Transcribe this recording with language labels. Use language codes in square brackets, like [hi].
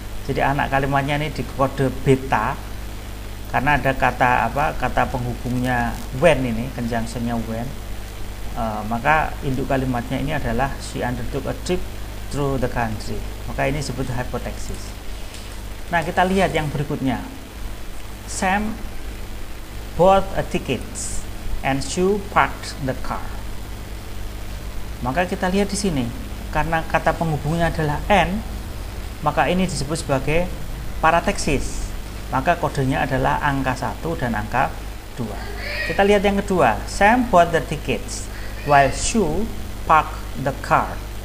[id] Jadi anak kalimatnya ini di kode beta karena ada kata apa? Kata penghubungnya when ini, conjunction-nya when. Maka induk kalimatnya ini adalah [en] she undertook a trip through the country. [id] Maka ini disebut hypothesis. Nah, kita lihat yang berikutnya. [en] Sam bought a ticket and she parked the car. [id] Maka kita lihat di sini, karena kata penghubungnya adalah and, maka ini disebut sebagai paratexis. Maka kodenya adalah angka 1 dan angka 2. Kita lihat yang kedua. [en] Sam bought the tickets while Sue parked the car.